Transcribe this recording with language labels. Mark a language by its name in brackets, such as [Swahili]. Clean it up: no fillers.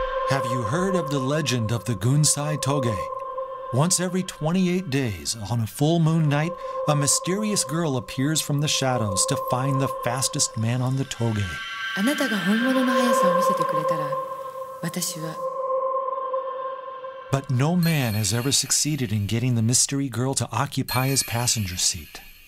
[English] Have you heard of the legend of the Gunsai Toge? Once every 28 days, on a full moon night, a mysterious girl appears from the shadows to find the fastest man on the toge. [Japanese] あなたが本物の速さを見せてくれたら、私は。 [English] But no man has ever succeeded in getting the mystery girl to occupy his passenger seat.